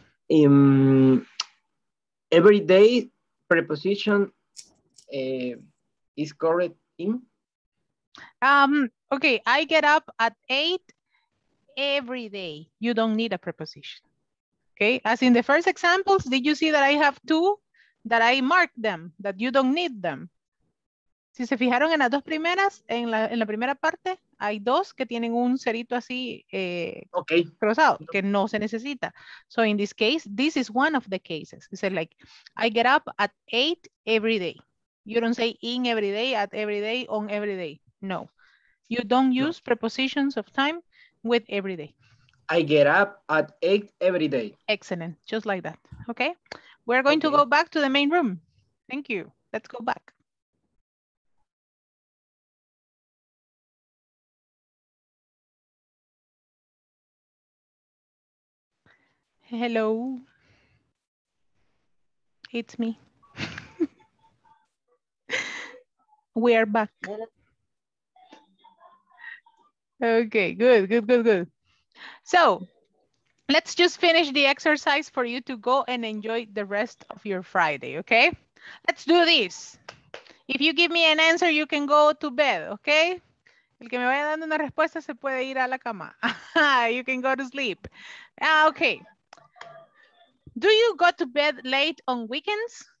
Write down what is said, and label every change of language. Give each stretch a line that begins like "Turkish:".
English: Every day preposition is correct in. Okay, I get up at 8 every day. You don't need a preposition. Okay, as in the first examples, did you see that I have two that I marked them that you don't need them?
Spanish: Si se fijaron en las dos primeras, en la primera parte, hay dos que tienen un cerito así cruzado, que no se necesita.
English: So in this case, this is one of the cases. It's like, I get up at 8 every day. You don't say in every day, at every day, on every day. No. You don't use prepositions of time with every day. I get up at 8 every day. Excellent. Just like that. Okay. We're going to go back to the main room. Thank you. Let's go back. Hello, it's me. We are back. Okay, good. So let's just finish the exercise for you to go and enjoy the rest of your Friday, okay? Let's do this. If you give me an answer, you can go to bed, okay?
Spanish: El que me vaya dando una respuesta se puede ir a la cama.
English: You can go to sleep. Okay. Do you go to bed late on weekends?